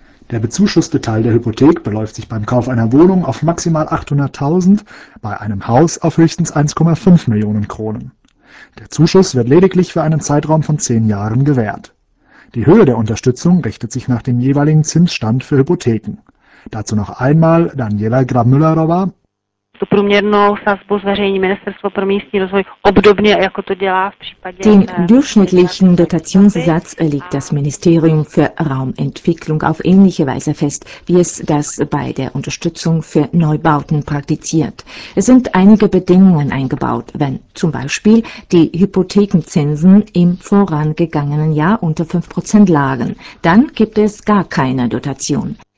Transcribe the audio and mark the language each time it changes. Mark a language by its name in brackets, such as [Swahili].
[German] Der bezuschusste Teil der Hypothek beläuft sich beim Kauf einer Wohnung auf maximal 800.000, bei einem Haus auf höchstens 1,5 Millionen Kronen. Der Zuschuss wird lediglich für einen Zeitraum von 10 Jahren gewährt. Die Höhe der Unterstützung richtet sich nach dem jeweiligen Zinsstand für Hypotheken. Dazu noch einmal Daniela Grab-Müllerowa. [Czech] tu průměrnou sazbu zveřejní Ministerstvo pro místní rozvoj obdobně, jako to dělá v případě... [German] Den durchschnittlichen Dotationssatz legt das Ministerium für Raumentwicklung auf ähnliche Weise fest, wie es das bei der Unterstützung für Neubauten praktiziert. Es sind einige Bedingungen eingebaut, wenn zum Beispiel die Hypothekenzinsen im vorangegangenen Jahr unter 5% lagen, dann gibt es gar keine Dotation.